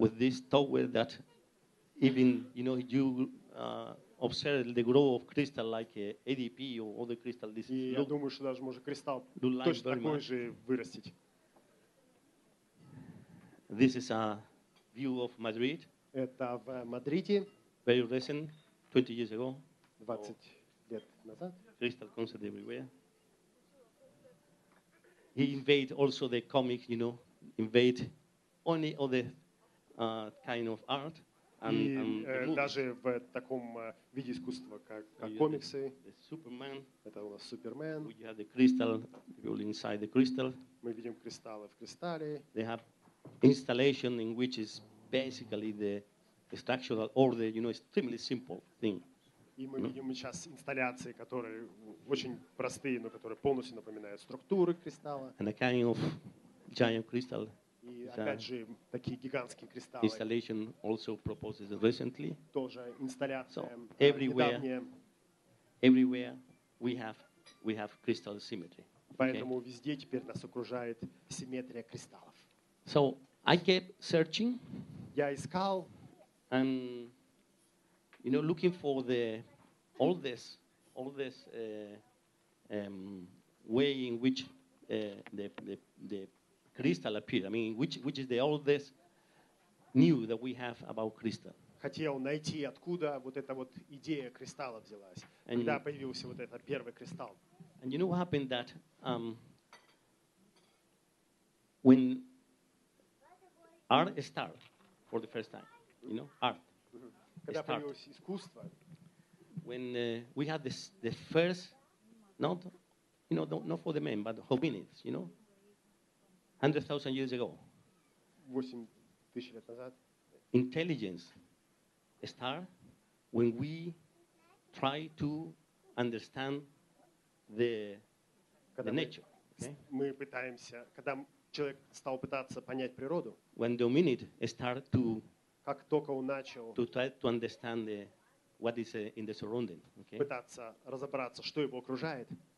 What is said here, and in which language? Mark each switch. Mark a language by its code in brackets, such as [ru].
[en] With this tower that even you know you observe the grow of crystal like ADP or other crystal. This [ru] и [en] look, [ru] я думаю, что даже может кристалл [en] like [ru] точно такой [en] much. [ru] Же вырастить. [en] This is a view of Madrid. [ru] Это в Мадриде. [en] Very recent, 20 years ago. [ru] 20 лет назад. [en] Crystal concert everywhere. He invade also the comic, you know, invade only other kind of art. And, [ru] и [en] and [ru] даже в таком виде искусства, как комиксы. [en] The Superman. [ru] Это у нас Супермен. [en] We have the crystal, the people inside the crystal. [ru] Мы видим кристаллы в кристалле. [en] They have installation in which is basically the structural order, you know, extremely simple thing. [ru] И мы видим сейчас инсталляции, которые очень простые, но которые полностью напоминают структуры кристалла. [en] And a kind of giant crystal. [ru] И опять же, такие гигантские кристаллы. [en] Installation also proposed recently. [ru] Тоже инсталляция. [en] So everywhere, everywhere we have crystal symmetry. [ru] Поэтому okay. Везде теперь нас окружает симметрия кристаллов. [en] So I kept searching. [ru] Я искал. [en] And you know, looking for the all this way in which the crystal appeared. I mean, which is the oldest new that we have about crystal. [ru] Хотел найти, откуда вот эта вот идея кристалла взялась, [en] and [ru] когда появился вот этот первый кристалл. [en] And you know what happened that when art started for the first time, you know, art. [ru] Когда появилось искусство. [en] When we had the first, not, you know, not for the men, but the hominids, you know, 100,000 years ago. [ru] 8,000 лет назад. [en] Intelligence start when we try to understand the nature. Okay? [ru] Мы пытаемся, когда человек стал пытаться понять природу. [en] When the hominid start to [ru] как только он начал [en] to try to understand the, what is in the surrounding, okay? [ru] Пытаться разобраться, что его окружает.